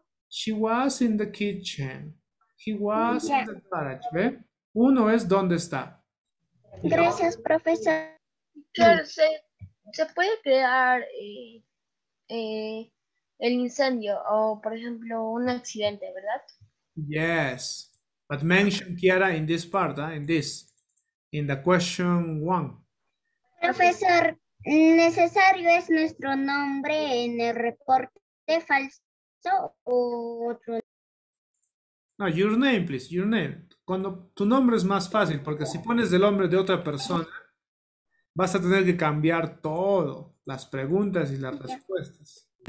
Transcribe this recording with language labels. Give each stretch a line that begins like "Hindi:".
English: She was in the kitchen. He was in the garage. ¿Ve?
Spanish: Uno es dónde está. Gracias, profesor. Claro, se puede crear el incendio o, por ejemplo, un accidente, ¿verdad?
English: Yes. But mention Kiara in this part, in the question one.
Spanish: Profesor, ¿necesario es nuestro nombre en el reporte falso o otro?
English: No, your name, please, your name.
Spanish: Cuando tu nombre es más fácil, porque si pones el nombre de otra persona, vas a tener que cambiar todo, las preguntas y las respuestas.